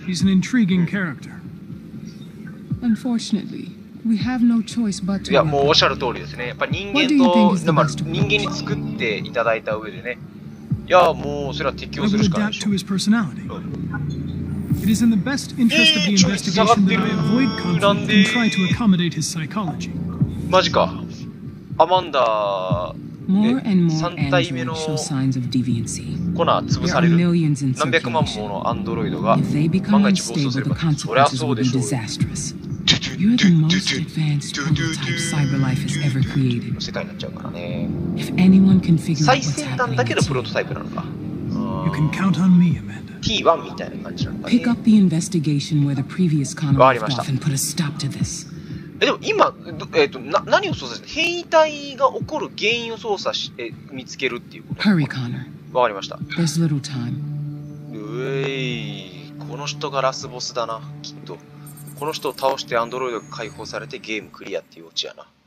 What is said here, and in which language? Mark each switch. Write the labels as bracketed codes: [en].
[en] He's an intriguing character. Unfortunately, we have no choice but [ja] to. いや、もうおっしゃる通りですね。やっぱ人間と、まあ、人間に作っていただいた上でね。いや、もうそれは適応するしかないでしょ。 [en] It is in the best interest of the investigation that I avoid conflict and try to accommodate his psychology. [ja] マジか。アマンダ、 [en] more and more androids show signs of deviancy. [ja] コナー潰される。何百万ものアンドロイドが万が一暴走すれば、それはそうでしょう。 [en] You're the most advanced prototype cyberlife has ever created. [ja] 世界になっちゃうからね。 [en] If anyone can figure out what's happening, [ja] 最先端だけのプロトタイプなのか。 [en] You can count on me, Amanda. Pick up the investigation where the previous con left off and put a stop to this. [ja] え、でも今、何を操作して、変異体が起こる原因を操作し、見つけるっていうこと。 [en] Hurry, Connor. [ja] わかりました。 [en] There's little time. [ja] うえい、この人がラスボスだな、きっと。この人を倒してアンドロイドが解放されてゲームクリアっていうオチやな。